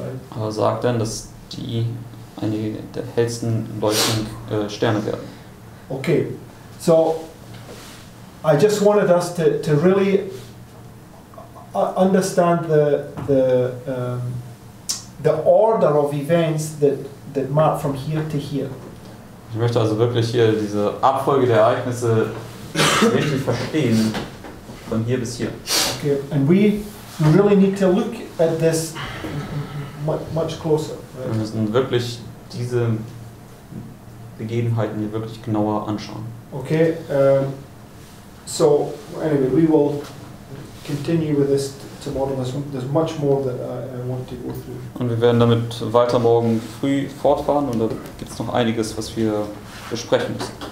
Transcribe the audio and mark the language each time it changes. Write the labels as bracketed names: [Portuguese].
[German] Aber sagt dann, dass die eine der hellsten leuchtenden Sterne werden. [English] Okay, so I just wanted us to really understand the order of events that mark from here to here. [German] Ich möchte also wirklich hier diese Abfolge der Ereignisse richtig verstehen, von hier bis hier. [English] Okay, and we really need to look at this much closer. Right? [German] Wir müssen wirklich diese Begebenheiten hier wirklich genauer anschauen. [English] Okay, so anyway, we will continue with this tomorrow. There's much more that I want to go through. [German] Und wir werden damit weiter morgen früh fortfahren und da gibt es noch einiges, was wir besprechen müssen.